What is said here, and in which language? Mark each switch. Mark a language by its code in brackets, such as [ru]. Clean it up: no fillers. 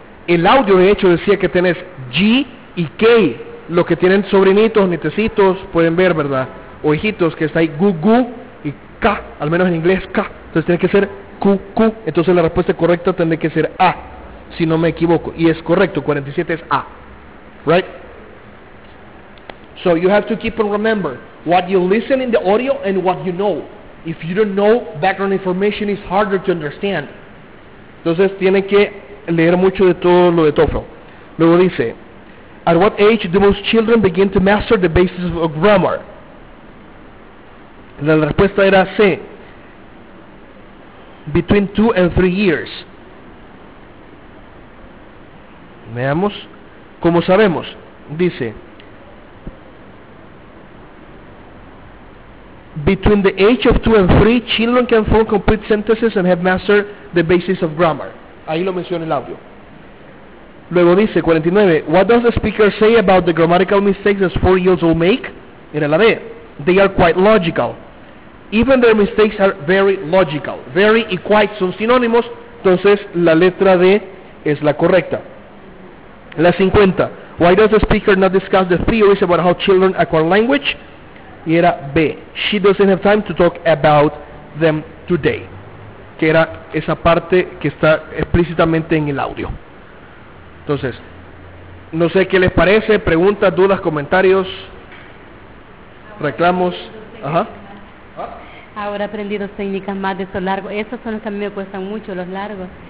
[es] El audio, de hecho, decía que tenés G y K. Los que tienen sobrinitos, nietecitos, pueden ver, ¿verdad? O hijitos, que está ahí, gu, gu y K, al menos en inglés, K. Entonces tiene que ser Q, Q. Entonces la respuesta correcta tendría que ser A, si no me equivoco. Y es correcto, 47 es A. [en] Right? So you have to keep and remember what you listen in the audio and what you know. If you don't know, background information is harder to understand. [es] Entonces tiene que leer mucho de todo lo de TOEFL. Luego dice, [en] at what age do most children begin to master the basics of grammar? [es] La respuesta era C, [en] between 2 and 3 years. [es] Veamos, como sabemos, dice, [en] between the age of 2 and 3, children can form complete sentences and have mastered the basics of grammar. [es] Ahí lo menciona el audio. Luego dice, [en] 49, what does the speaker say about the grammatical mistakes that 4-year-olds make? Era la D. They are quite logical. Even their mistakes are very logical. [es] Very y quite son sinónimos, entonces la letra D es la correcta. La 50, [en] why does the speaker not discuss the theories about how children acquire language? [es] Y era B, [en] she doesn't have time to talk about them today. [es] Que era esa parte que está explícitamente en el audio. Entonces, no sé qué les parece, preguntas, dudas, comentarios, reclamos. Ajá. Ahora aprendí dos técnicas más de estos largos. Estos son los que a mí me cuestan mucho, los largos.